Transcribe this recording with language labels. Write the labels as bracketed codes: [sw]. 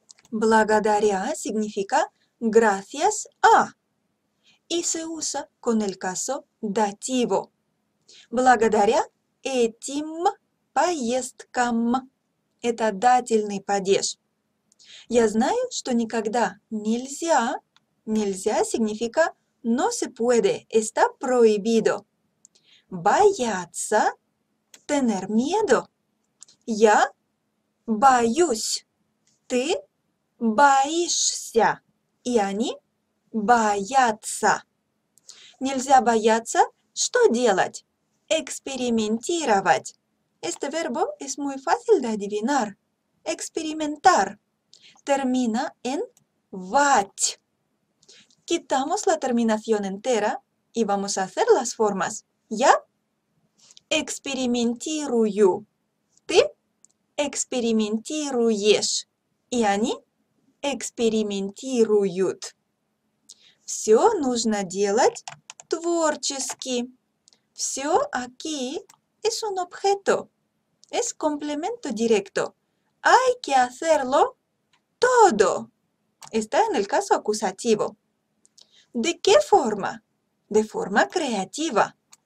[es] Благодаря significa gracias a. Y se usa con el caso dativo. [ru] Благодаря этим поездкам. Это дательный падеж. Я знаю, что никогда нельзя. [es] Нельзя significa no se puede. Está prohibido. [ru] Бояться. [es] Tener miedo. [ru] Я боюсь. Ты боишься. И они боятся. Нельзя бояться. Что делать? Экспериментировать. [es] Este verbo es muy fácil de adivinar. Экспериментар. Termina en вать. Quitamos la terminación entera y vamos a hacer las formas. [ru] Я экспериментирую. Ты экспериментируешь. И они экспериментируют. Все нужно делать творчески. [es] Все aquí es un objeto. Es complemento directo. Hay que hacerlo todo. Está en el caso acusativo. ¿De qué forma? De forma creativa.